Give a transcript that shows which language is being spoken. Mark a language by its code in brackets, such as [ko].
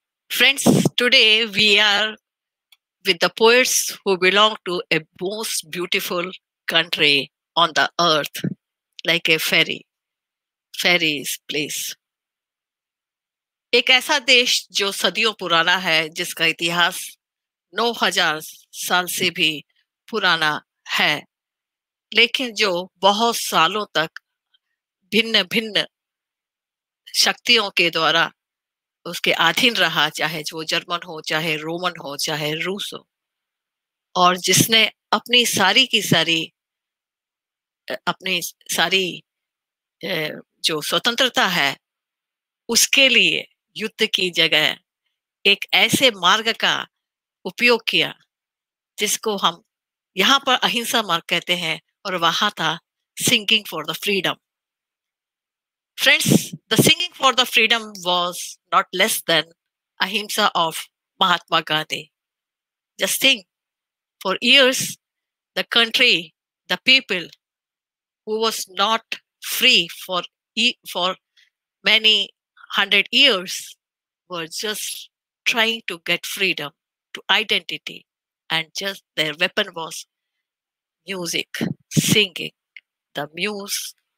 [en] Friends, today we are with the poets who belong to a most beautiful country on the earth, like a fairy. Fairies, please. [hi] एक ऐसा देश जो सदियों पुराना है, जिसका इतिहास 9000 साल से भी पुराना है, लेकिन जो बहुत सालों तक भिन्न-भिन्न शक्तियों के द्वारा उसके अधीन रहा, चाहे जो जर्मन हो, चाहे रोमन हो, चाहे रूस हो, और जिसने अपनी सारी की सारी अपनी सारी जो स्वतंत्रता है उसके लिए युद्ध की जगह एक ऐसे मार्ग का उपयोग किया जिसको हम यहाँ पर अहिंसा मार्ग कहते हैं और वहां था [en] Singing for the freedom. Friends, the singing for the freedom was not less than ahimsa of Mahatma Gandhi. Just think, for years, the country, the people who was not free for many hundred years were just trying to get freedom, to identity, and just their weapon was music, singing, the muse.